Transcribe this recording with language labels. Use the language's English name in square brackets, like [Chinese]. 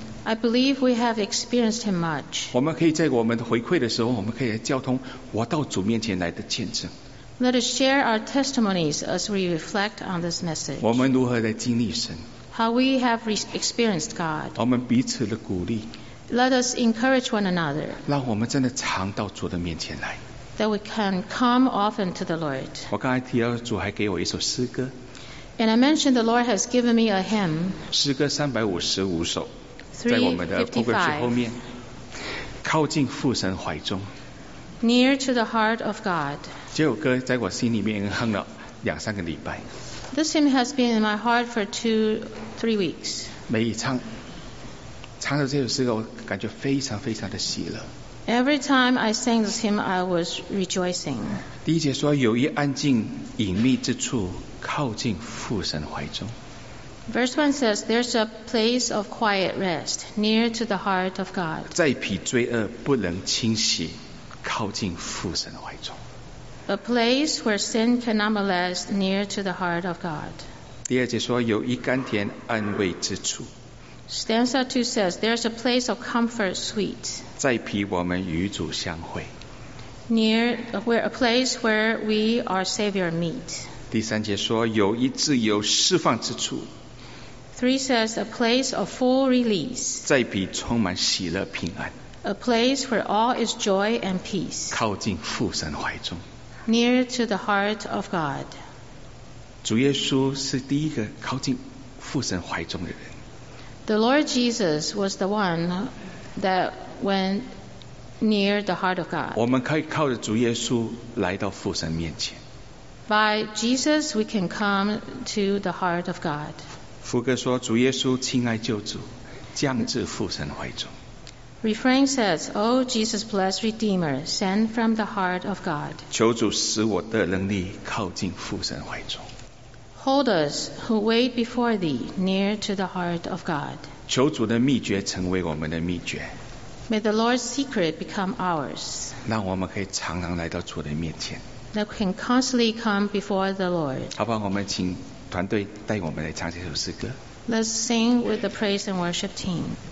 [English] I believe we have experienced him much. [Chinese] 我们可以在我们回馈的时候，我们可以交通我到主面前来的见证。 [English] Let us share our testimonies as we reflect on this message. [Chinese] 我们如何来经历神？ [English] How we have experienced God. [Chinese] 我们彼此的鼓励。 [English] Let us encourage one another. [Chinese] 让我们真的常到主的面前来。 [English] That we can come often to the Lord. [Chinese] 我刚才提到主还给我一首诗歌。 [English] And I mentioned the Lord has given me a hymn. [Chinese] 诗歌355首。在我们的 Google 后面，靠近父神怀中。 [English] Near to the heart of God. [Chinese] 这首歌在我心里面哼了两三个礼拜。 [English] This hymn has been in my heart for 2-3 weeks. [Chinese] 每一唱到这首诗歌，我感觉非常非常的喜乐。 [English] Every time I sang this hymn, I was rejoicing. [Chinese] 第一节说，有一安静隐秘之处，靠近父神怀中。 [English] Verse 1 says, there's a place of quiet rest near to the heart of God. [Chinese] 再疲罪恶不能清洗，靠近父神怀中。 [English] A place where sin cannot molest, near to the heart of God. [Chinese] 第二节说有一甘甜安慰之处。 [English] Stanza 2 says, there's a place of comfort sweet. [Chinese] 在彼我们与主相会。 [English] Near where, a place where we our Savior meet. [Chinese] 第三节说有一自由释放之处。 [English] 3 says, a place of full release. [Chinese] 在彼充满喜乐平安。 [English] A place where all is joy and peace. [Chinese] 靠近父神怀中。 [English] Near to the heart of God. [Chinese] 主耶稣是第一个靠近父神怀中的人。 [English] The Lord Jesus was the one that went near the heart of God. [Chinese] 我们可以靠着主耶稣来到父神面前。 [English] By Jesus, we can come to the heart of God. [Chinese] 福歌说主耶稣亲爱救主降至父神怀中。 [English] Refrain says, O Jesus, blessed Redeemer, sent from the heart of God. [Chinese] 求主使我的能力靠近父神怀中。 [English] Hold us who wait before thee near to the heart of God. [Chinese] 求主的秘诀成为我们的秘诀。 [English] May the Lord's secret become ours. [Chinese] 让我们可以常常来到主的面前。 [English] That can constantly come before the Lord. [Chinese] 好吧，我们请团队带我们来唱这首诗歌。 [English] Let's sing with the praise and worship team.